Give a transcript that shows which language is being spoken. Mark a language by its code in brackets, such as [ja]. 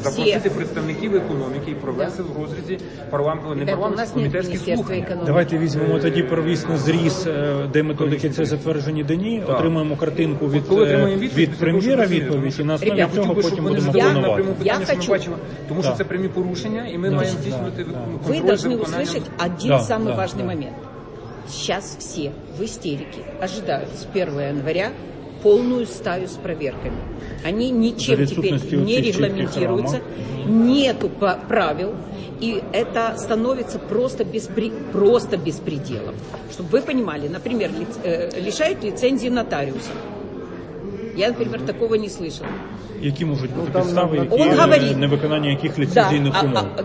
[uk] запросити представників економіки і провести в розрізі комітетських слухань. Давайте візьмемо тоді провісно зріз, де методики це затверджені, де ні, отримаємо картинку від прем'єра відповідь, і на основі цього потім будемо виконувати. Я хочу, тому що це прямі порушення, і ми маємо здійснювати. [ru] Вы должны услышать один самый важный момент. Сейчас все в истерике ожидают с 1 января полную стаю с проверками. Они ничем теперь не регламентируются, нету правил, и это становится просто беспределом. Чтобы вы понимали, например, лишают лицензии нотариуса. Я, например, такого не слышала. [uk] Які можуть бути підстави, невиконання яких ліцензійних умов?